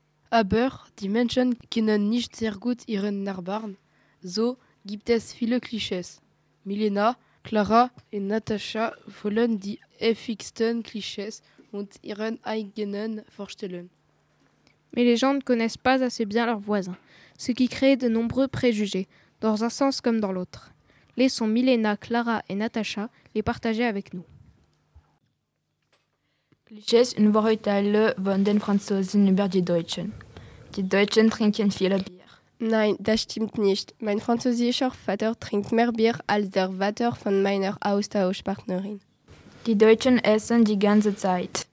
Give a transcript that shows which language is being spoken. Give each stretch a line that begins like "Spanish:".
German: Aber die Menschen kennen nicht sehr gut ihren Nachbarn. So gibt es viele Klischees. Milena, Clara und Natascha wollen die häufigsten Klischees und ihren eigenen vorstellen.
French: Mais les gens ne connaissent pas assez bien leurs voisins, ce qui crée de nombreux préjugés, dans un sens comme dans l'autre. Laissons Milena, Clara et Natacha les partager avec nous.
German: Klischees und Vorurteile von den Franzosen über die Deutschen. Die Deutschen trinken viel Bier. Nein, das stimmt nicht. Mein französischer Vater trinkt mehr Bier als der Vater von meiner Austauschpartnerin. Die Deutschen essen die ganze Zeit.